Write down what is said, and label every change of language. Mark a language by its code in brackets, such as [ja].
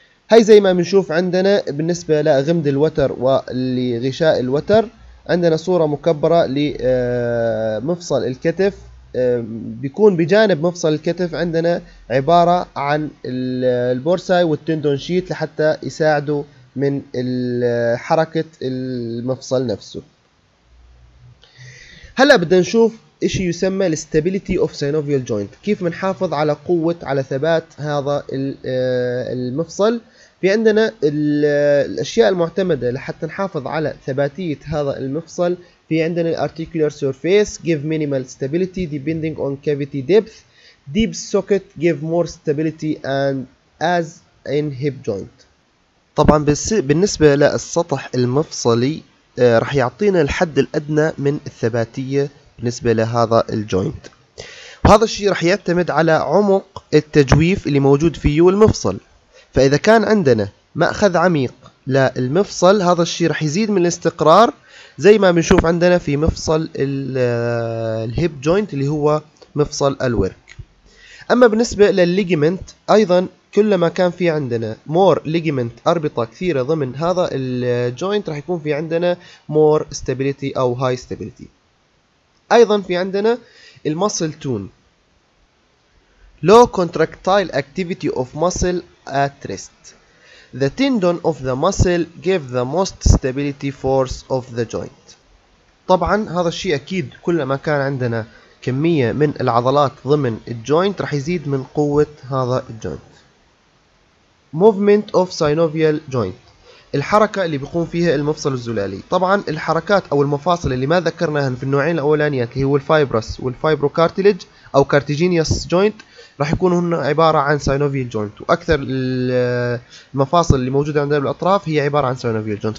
[ar] هاي زي ما بنشوف عندنا بالنسبة لغمد الوتر ولغشاء الوتر، عندنا صورة مكبرة لمفصل الكتف، بيكون بجانب مفصل الكتف عندنا عبارة عن البورساي والتندون شيت لحتى يساعدوا من حركة المفصل نفسه. هلا بدنا نشوف اشي يسمى الستابيليتي اوف سينوفيال جوينت، كيف بنحافظ على قوة على ثبات هذا المفصل. في عندنا الأشياء المعتمدة لحتى نحافظ على ثباتية هذا المفصل، في عندنا الارتيكولار سورفيس [en] give minimal stability depending on cavity depth، deep socket give more stability and as in hip joint. [ar] طبعا بالنسبة للسطح المفصلي رح يعطينا الحد الأدنى من الثباتية بالنسبة لهذا الجوينت، وهذا الشيء رح يعتمد على عمق التجويف اللي موجود فيه المفصل. فإذا كان عندنا مأخذ عميق للمفصل، هذا الشيء رح يزيد من الاستقرار زي ما بنشوف عندنا في مفصل الهيب جوينت اللي هو مفصل الورك. أما بالنسبة للليجمنت أيضا، كلما كان في عندنا مور ليجمنت أربطة كثيرة ضمن هذا الجوينت رح يكون في عندنا مور ستابيليتي أو هاي ستابيليتي. أيضا في عندنا المسل تون، [en] low contractile activity of muscle at rest، the tendon of the muscle give the most stability force of the joint. [ar] طبعا هذا الشيء اكيد كلما كان عندنا كمية من العضلات ضمن الجوينت رح يزيد من قوة هذا الجوينت. [en] movement of synovial joint، [ar] الحركة اللي بيقوم فيها المفصل الزلالي. طبعا الحركات او المفاصل اللي ما ذكرناها في النوعين الاولانيات اللي هو الفايبروس والفايبروكارتيليج او كارتيجينيوس جوينت راح يكونوا هن عبارة عن synovial joint، واكثر المفاصل اللي موجودة عندنا بالاطراف هي عبارة عن synovial joint.